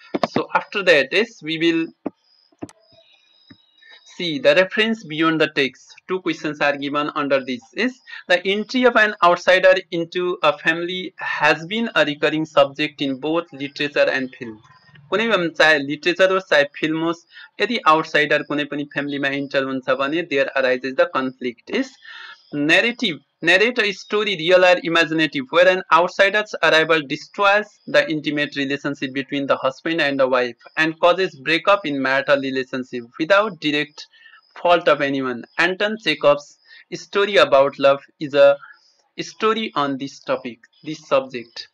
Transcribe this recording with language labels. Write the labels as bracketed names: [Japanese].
[English] So after that, we will see the reference beyond the text. Two questions are given under this. The entry of an outsider into a family has been a recurring subject in both literature and film. [Nepali] कुनै पनि चाहे literature होस् चाहे film होस् यदि outsider कुनै पनि फ्यामिलीमा इन्टर हुन्छ भने [English] There arises the conflict. Narrate a story, real or imaginative, where an outsider's arrival destroys the intimate relationship between the husband and the wife and causes breakup in marital relationship without direct fault of anyone. Anton Chekhov's story about love is a story on this topic, this subject.